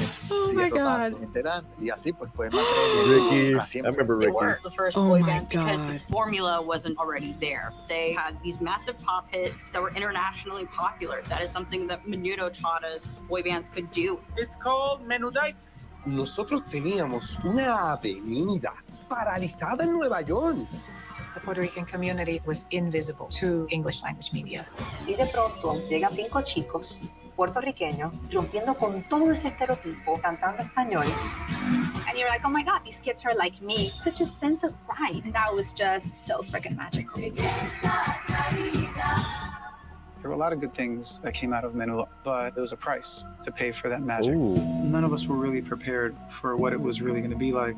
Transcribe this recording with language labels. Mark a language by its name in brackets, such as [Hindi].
[English] Oh my God. Ricky. I remember Ricky. They were the first boy band because the formula wasn't already there. They had these massive pop hits that were internationally popular. That is something that Menudo taught us boy bands could do. It's called Menuditis. [Spanish] Nosotros teníamos una avenida paralizada en Nueva York. [English] The Puerto Rican community was invisible to English language media. [Spanish] Y de pronto llega cinco chicos puertorriqueños rompiendo con todo ese estereotipo cantando español. [English] And you're like, oh my God, these kids are like me. Such a sense of pride. And that was just so freaking magical. There were a lot of good things that came out of Menudo, but there was a price to pay for that magic. Ooh. None of us were really prepared for what it was really going to be like.